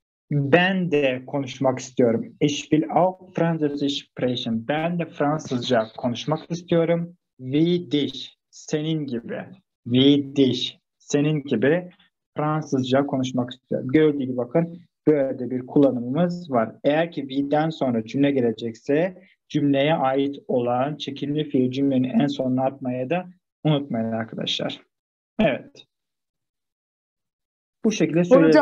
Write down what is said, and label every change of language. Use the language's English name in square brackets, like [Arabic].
[Turkish] Ben de konuşmak istiyorum. [German] Ich will auch Französisch sprechen. [Turkish] Ben de Fransızca konuşmak istiyorum. [German] Wie dich. [Turkish] Senin gibi. Wie dich. Senin gibi Fransızca konuşmak istiyorum. Gördüğünüz gibi bakın böyle de bir kullanımımız var. Eğer ki wie'den sonra cümle gelecekse cümleye ait olan çekimli fiil cümlenin en sonuna atmaya da unutmayın arkadaşlar. Evet. Bu şekilde söyleyebiliriz.